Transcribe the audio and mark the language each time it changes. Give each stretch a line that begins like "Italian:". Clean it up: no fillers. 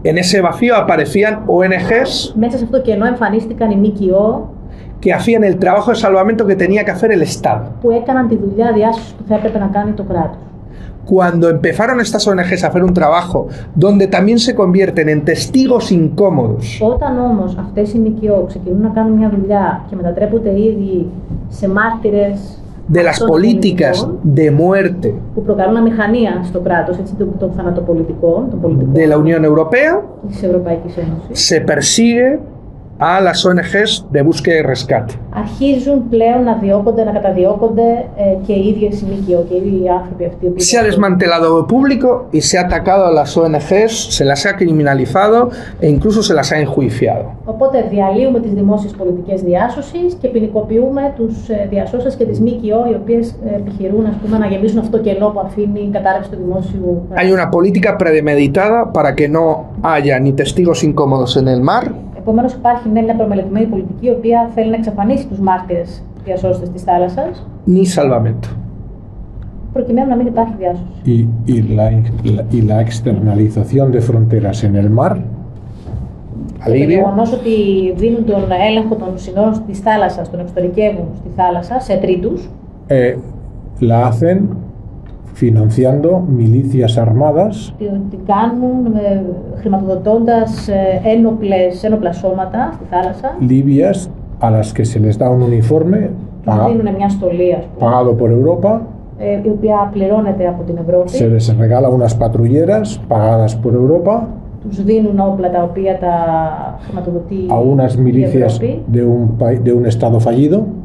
Spanish: En ese vacío aparecían ONGs.
Greek: Μέσα σε αυτό το κενό εμφανίστηκαν οι ΜΚΟ.
Spanish: Que hacían el trabajo de salvamento que tenía que hacer el Estado.
Greek: Που έκαναν τη δουλειά διάσωση που θα έπρεπε να κάνει το κράτος.
Spanish: Cuando empezaron estas ONGs a hacer un trabajo donde también se convierten en testigos incómodos.
Greek: Όταν όμως αυτές οι ΜΚΟ ξεκινούν να κάνουν μια δουλειά και μετατρέπονται ήδη σε μάρτυρες
Spanish: de las políticas de muerte.
Greek: Που προκαλούν αμηχανία στο κράτος, έτσι των θανατοπολιτικών, των πολιτικών.
Spanish: De la Unión Europea.
Greek: Της Ευρωπαϊκής Ένωσης.
Spanish: Se persigue a las ONGs de búsqueda y rescate.
Greek: Αρχίζουν πλέον να διώκονται, να καταδιώκονται και οι ίδιες οι ΜΚΟ και οι ίδιοι οι άνθρωποι αυτοί.
Spanish: Se ha desmantelado el público y se ha atacado a las ONGs, se las ha criminalizado e incluso se las ha enjuiciado.
Greek: Οπότε διαλύουμε τις δημόσιες πολιτικές διάσωσης και ποινικοποιούμε τους διασώσεις και τις ΜΚΟ οι οποίες επιχειρούν, ας πούμε, να γεμίσουν αυτό το κενό που αφήνει η κατάρρευση του δημόσιου.
Spanish: Hay una política premeditada para que no haya ni testigos incómodos en el mar.
Greek: Επομένως υπάρχει μια προμελετημένη πολιτική η οποία θέλει να εξαφανίσει τους μάρτυρες διασώστες της θάλασσας.
Spanish: Ni salvamento.
Greek: Προκειμένου να μην υπάρχει διάσωση.
Spanish: Y la externalización de fronteras en el mar.
Greek: Το γεγονός ότι δίνουν τον έλεγχο των συνόρων της θάλασσας, τον εξωτερικεύουν στη θάλασσα, σε τρίτους.
Spanish: La hacen financiando milicias armadas.
Greek: Την κάνουν χρηματοδοτώντας ένοπλα σώματα στη θάλασσα.
Spanish: Libias, a las que se les da un uniforme.
Greek: Δίνουν μια στολή, ας πούμε.
Spanish: Pagado por Europa.
Greek: Η οποία πληρώνεται από την Ευρώπη.
Spanish: Se les regala unas patrulleras pagadas por Europa.
Greek: Τους δίνουν όπλα τα οποία τα χρηματοδοτεί η Ευρώπη.
Spanish: A unas milicias de un estado fallido.